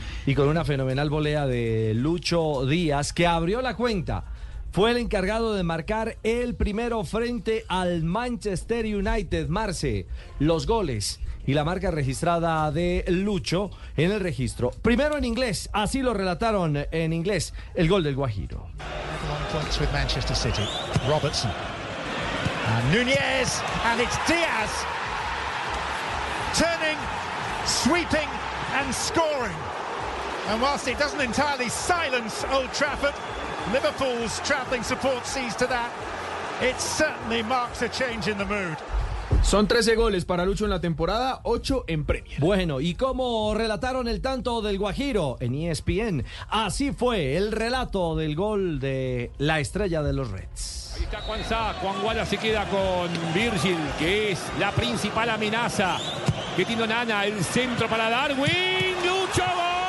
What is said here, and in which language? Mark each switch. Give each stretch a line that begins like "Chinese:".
Spanish: Y con una fenomenal volea de Lucho Díaz, que abrió la cuenta. Fue el encargado de marcar el primero frente al Manchester United, Marce. Los goles y la marca registrada de Lucho en el registro. Primero en inglés, así lo relataron en inglés, el gol del Guajiro.
English: With Manchester City, Robertson, and Nunez, and it's Diaz turning, sweeping, and scoring. And whilst it doesn't entirely silence Old Trafford, Liverpool's travelling support sees to that, it certainly marks a change in the mood.
Spanish: Son 13 goles para Lucho en la temporada, 8 en Premier. Bueno, y como relataron el tanto del Guajiro en ESPN, así fue el relato del gol de la estrella de los Reds. Ahí está Juan Sá, Juan Guala se queda con Virgil, que es la principal amenaza que tiene Onana, el centro para Darwin, Lucho, gol.